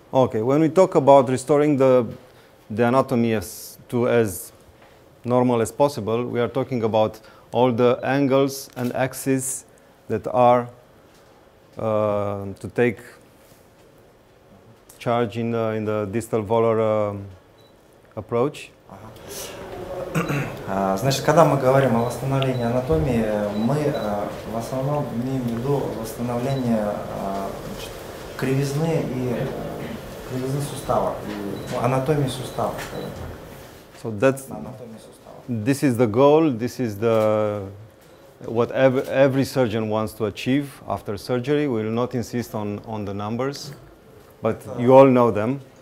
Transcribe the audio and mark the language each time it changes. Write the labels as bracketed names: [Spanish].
[English] Okay, when we talk about restoring the anatomy to as normal as possible, we are talking about all the angles and axes that are to take charge in the distal volar approach. [Russian] Значит, когда мы говорим о восстановлении анатомии, мы в основном имеем в виду восстановление кривизны сустава, анатомии сустава. [English] So that's this is the goal. This is the what every surgeon wants to achieve after surgery. We will not insist on the numbers, but you all know them.